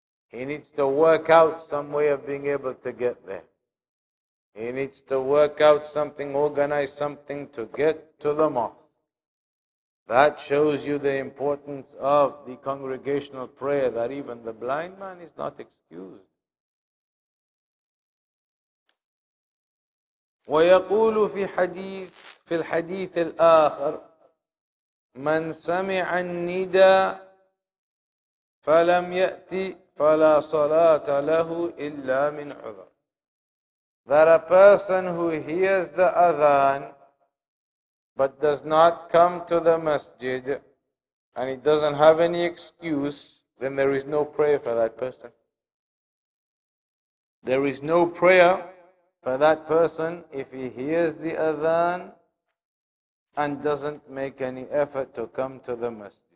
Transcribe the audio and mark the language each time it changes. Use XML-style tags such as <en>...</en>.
<en>He needs to work out some way of being able to get there. He needs to work out something, organize something to get to the mosque. That shows you the importance of the congregational prayer, that even the blind man is not excused.</en> <ar>ويقول في الحديث الآخر من سمع النداء فلم يأتي فلا صلاة له إلا من عذر.</ar> <en>That a person who hears the adhan but does not come to the masjid and he doesn't have any excuse, then there is no prayer for that person. There is no prayer for that person if he hears the adhan and doesn't make any effort to come to the masjid.</en>